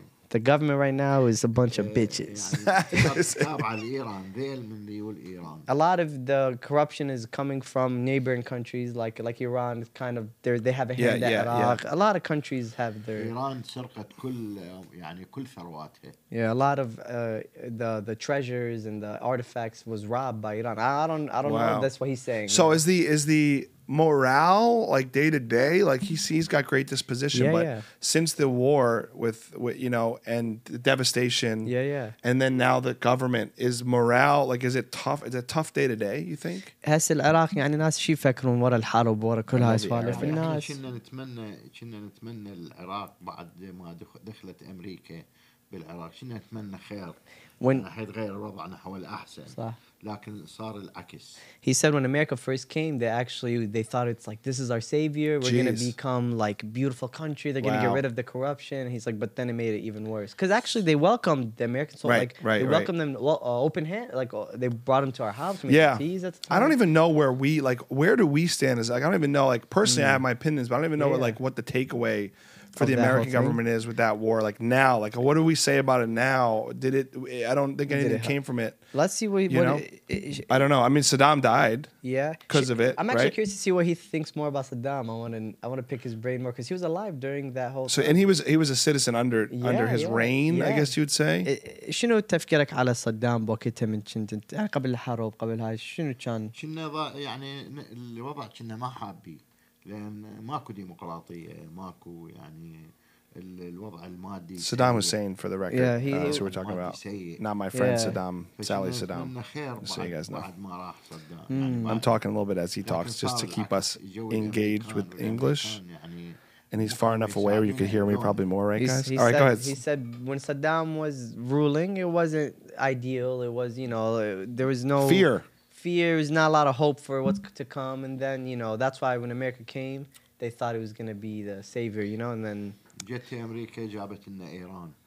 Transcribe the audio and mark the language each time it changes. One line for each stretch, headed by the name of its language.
English: The government right now is a bunch of bitches. A lot of the corruption is coming from neighboring countries like Iran. It's kind of they have a hand at Iraq. Yeah. A lot of countries have their
Arabic: Iran سرقت كل يعني كل ثرواته.
English: Yeah, a lot of the treasures and the artifacts was robbed by Iran. I don't know if that's what he's saying. So is the morale like day to day, like he's got great disposition, since the war with you know and the devastation, and then now the government, is morale like, is it tough? It's a tough day to day, you think?
Arabic: هسه العراق يعني ناس شي يفكرون ورا الحرب ورا كل هاي السوالف. الناس كنا نتمنى العراق بعد ما دخلت امريكا بالعراق كنا نتمنى خير حيتغير وضعنا حول احسن صح. لكن صار العكس.
English: He said when America first came, they thought it's like, this is our savior. We're going to become like beautiful country. They're going to get rid of the corruption. He's like, but then it made it even worse. Because actually they welcomed the Americans. They welcomed them open hand. Like they brought them to our house. I don't even know where do we stand? Is like, I don't even know. Like personally, I have my opinions, but I don't even know what the takeaway for the American government is with that war. Like now, like what do we say about it now? Did it, I don't think anything came from it. Let's see I don't know. I mean, Saddam died. Yeah. Because of it. I'm actually right? curious to see what he thinks more about Saddam. I want to pick his brain more because he was alive during that whole time. And he was a citizen under his reign, I guess you'd say.
Arabic: شنو تفكيرك على صدام بوقتها من كنت انت قبل الحرب قبل هاي شنو كان؟ كنا يعني الوضع كنا ما حابي لان ماكو ديمقراطية ماكو يعني
English: Saddam Hussein, for the record. Yeah, he that's who we're talking about. Not my friend, yeah. Saddam, Sally Saddam. So you guys know. I'm talking a little bit as he talks, just to keep us engaged with English. And he's far enough away where you could hear me probably more, right, guys? All right, go ahead. He said when Saddam was ruling, it wasn't ideal. It was, you know, there was no... Fear. Fear is not a lot of hope for what's to come. And then, you know, that's why when America came, they thought it was going to be the savior, you know, and then...
Arabic: جت امريكا جابت لنا ايران